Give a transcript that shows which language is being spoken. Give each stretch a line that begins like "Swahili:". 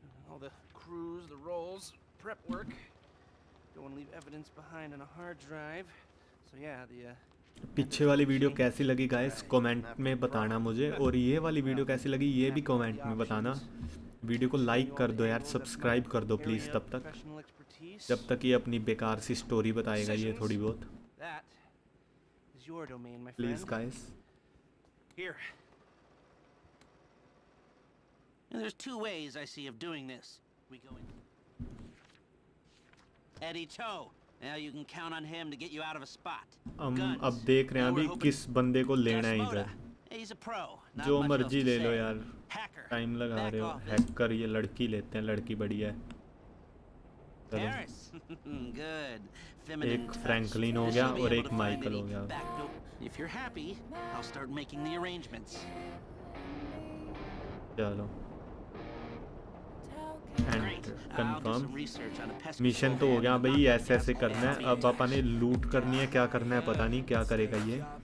English: screws, the rolls, prep work. Don't want to leave evidence behind on a hard drive. So yeah, the
Hindi: पीछे वाली video कैसी लगी guys comment में बताना मुझे। और ये वाली वीडियो कैसी लगी ये भी कमेंट में बताना। वीडियो को लाइक कर दो यार सब्सक्राइब कर दो प्लीज जब तक ये अपनी बेकार सी स्टोरी बताएगा ये थोड़ी बहुत। Please guys
English: there's two ways I see of doing this. We go in. Eddie Toe. Now you can count on him to get you out of a spot.
Hindi: अब देख रहे हैं अभी किस बंदे को लेना है इधर।
English: He's a pro.
Hindi: जो मर्जी ले लो यार। टाइम लगा रहे हो। हैकर ये लड़की लेते हैं लड़की बढ़िया है। चलो। Good. एक फ्रैंकलिन हो गया और एक माइकल हो गया।
English: If you're happy, I'll start making the arrangements.
Hindi: चलो। कंफर्म मिशन तो हो गया भाई। ऐसे ऐसे करना है। अब अपन ने लूट करनी है। क्या करना है पता नहीं क्या करेगा ये।